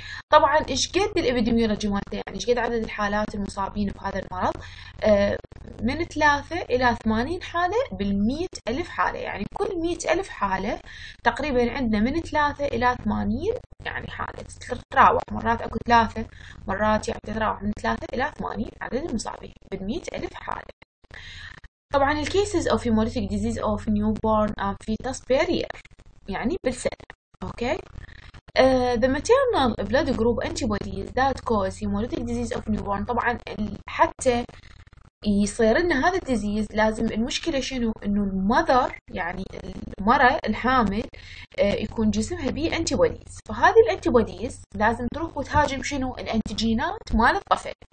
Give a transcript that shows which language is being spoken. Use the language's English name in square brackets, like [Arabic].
[Arabic] طبعا ايش قد الابيديميولوجي مالته، يعني ايش قد عدد الحالات المصابين بهذا المرض، من 3 إلى 80 حالة بال100 ألف حالة، يعني كل 100 ألف حالة تقريبا عندنا من 3 إلى 80 يعني حالة، تتراوح مرات اكو 3 مرات، يعني تتراوح من 3 إلى 80 عدد المصابين بال100 ألف حالة. [English] طبعا الـ cases of hemolytic disease of newborn and fetus per year، [Arabic] يعني بالسنة، اوكي. [English] The maternal blood group antibodies that cause hemolytic disease of newborn، [Arabic] طبعا حتى يصير لنا هذا الديزيز لازم، المشكلة شنو؟ انه المذر يعني المرأة الحامل يكون جسمها بيه antibodies، فهذه الـ antibodies لازم تروح وتهاجم شنو؟ الانتيجينات مال الطفل.